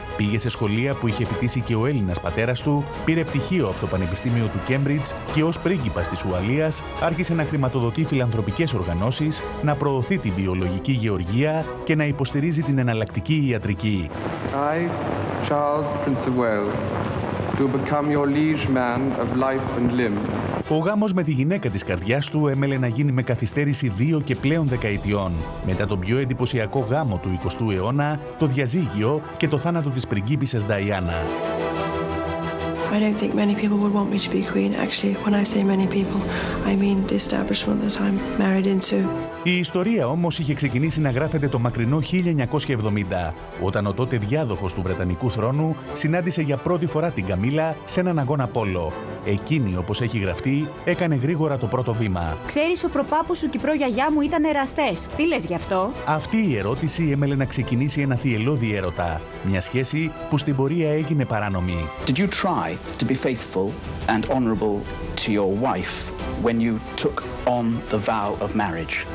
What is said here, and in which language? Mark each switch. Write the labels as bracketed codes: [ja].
[el] Πήγε σε σχολεία που είχε φοιτήσει και ο Έλληνας πατέρας του, πήρε πτυχίο από το Πανεπιστήμιο του Κέμπριτζ και ως πρίγκιπας της Ουαλίας άρχισε να χρηματοδοτεί φιλανθρωπικές οργανώσεις, να προωθεί τη βιολογική γεωργία και να υποστηρίζει την εναλλακτική ιατρική. [en] I, Charles, Prince of Wales. To become your liege man of life and limb. [el] Ο γάμος με τη γυναίκα της καρδιάς του έμελε να γίνει με καθυστέρηση 2 και πλέον δεκαετιών. Μετά τον πιο εντυπωσιακό γάμο του 20ου αιώνα, το διαζύγιο και το θάνατο της πριγκίπισσας Νταϊάννα. [en] I don't think many people would want me to be queen. Actually, when I say many people, I mean the establishment that I'm married into. [el] Η ιστορία όμως είχε ξεκινήσει να γράφεται το μακρινό 1970, όταν ο τότε διάδοχος του Βρετανικού θρόνου συνάντησε για πρώτη φορά την Καμίλα σε έναν αγώνα πόλο. Εκείνη, όπως έχει γραφτεί, έκανε γρήγορα το πρώτο βήμα. Ξέρεις, ο προπάπου σου και η προγιαγιά μου ήταν εραστές. Τι λες γι' αυτό? Αυτή η ερώτηση έμελε να ξεκινήσει ένα θυελώδη έρωτα. Μια σχέση που στην πορεία έγινε παράνομη. [en] Did you try to be faithful and honorable to your wife when you took on the vow of marriage?